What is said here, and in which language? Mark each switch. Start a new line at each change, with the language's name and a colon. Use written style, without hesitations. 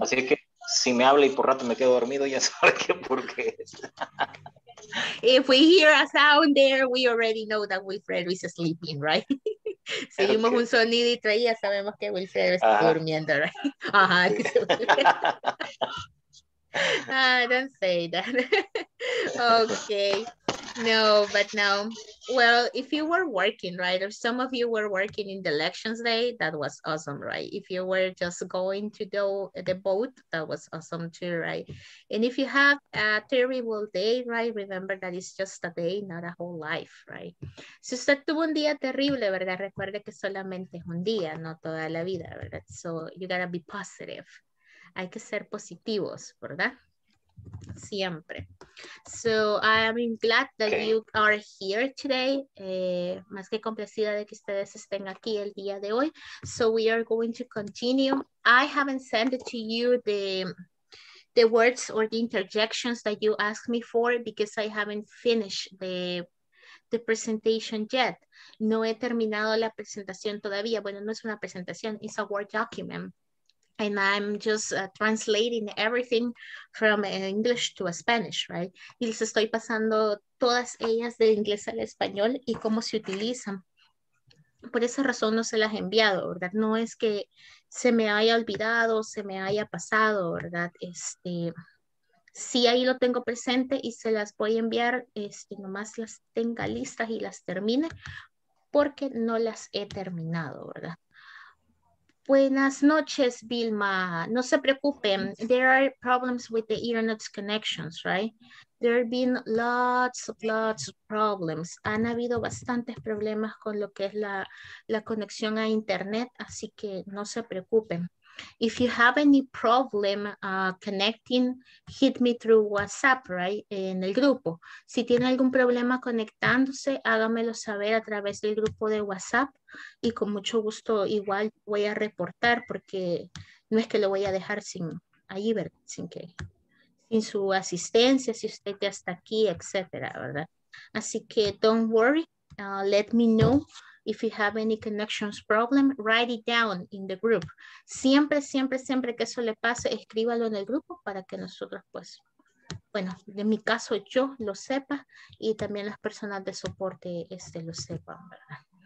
Spanish: Así que si me habla y por rato me quedo dormido, ya sabes que por qué.
English: If we hear a sound there, we already know that Wilfredo is sleeping, right?
Spanish: Si vimos okay. Un sonidito ahí, ya sabemos que Wilfredo está durmiendo, right?
English: Ajá. Uh-huh. Don't say that. Okay. No, but no. Well, if you were working, right? If some of you were working in the elections day, that was awesome, right? If you were just going to go the boat, that was awesome too, right? And if you have a terrible day, right? Remember that it's just a day, not a whole life, right?
Spanish: Si usted tuvo un día terrible, ¿verdad? Recuerde que solamente es un día, no toda la vida, ¿verdad?
English: So you gotta be positive.
Spanish: Hay que ser positivos, ¿verdad? Siempre.
English: So I'm glad that okay. You are here today.
Spanish: Más que complacida de que ustedes estén aquí el día de hoy.
English: So we are going to continue. I haven't sent it to you the words or the interjections that you asked me for because I haven't finished the presentation yet.
Spanish: No he terminado la presentación todavía. Bueno, no es una presentación,
English: it's a Word document. And I'm just translating everything from English to Spanish, right?
Spanish: Y les estoy pasando todas ellas de inglés al español y cómo se utilizan. Por esa razón no se las he enviado, ¿verdad? No es que se me haya olvidado, se me haya pasado, ¿verdad? Sí, ahí lo tengo presente y se las voy a enviar, nomás las tenga listas y las termine, porque no las he terminado, ¿verdad? Buenas noches, Vilma. No se preocupen.
English: There are problems with the internet connections, right? There have been lots of problems.
Spanish: Han habido bastantes problemas con lo que es la conexión a internet, así que no se preocupen.
English: If you have any problem connecting, hit me through WhatsApp, right,
Spanish: en el grupo. Si tiene algún problema conectándose, hágamelo saber a través del grupo de WhatsApp y con mucho gusto igual voy a reportar porque no es que lo voy a dejar sin ahí, ¿verdad? Sin su asistencia, si usted ya está aquí, etcétera, ¿verdad? Así que
English: don't worry, let me know. If you have any connections problem, write it down in the group.
Spanish: Siempre, siempre, siempre que eso le pase, escríbalo en el grupo para que nosotros, pues, bueno, en mi caso, yo lo sepa y también las personas de soporte lo sepan, ¿verdad?